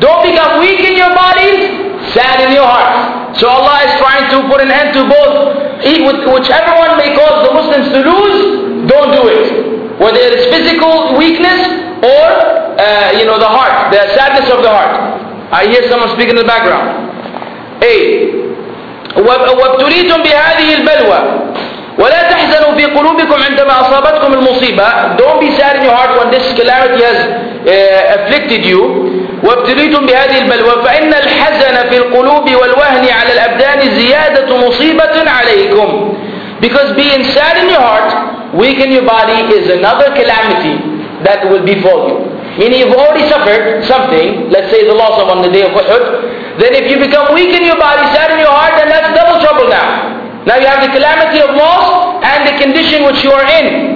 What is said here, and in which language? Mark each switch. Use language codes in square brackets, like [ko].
[en] Don't become weak in your body, sad in your heart. So Allah is trying to put an end to both. Whichever one may cause the Muslims to lose, don't do it. Whether it's physical weakness or, you know, the heart, the sadness of the heart. I hear someone speaking in the background. Hey. [ar] وابتليتم بهذه البلوى ولا تحزنوا في قلوبكم عندما أصابتكم المصيبة. [en] Don't be sad in your heart when this calamity has afflicted you. [ar] وابتليتم بهذه البلوى فإن الحزن في القلوب والوهن على الأبدان زيادة مصيبة عليكم. [en] Because being sad in your heart, weak in your body, is another calamity that will befall you. Meaning you've already suffered something, let's say the loss of on the day of Uhud. Then if you become weak in your body, sad in your heart, then that's double trouble now. Now you have the calamity of loss and the condition which you are in.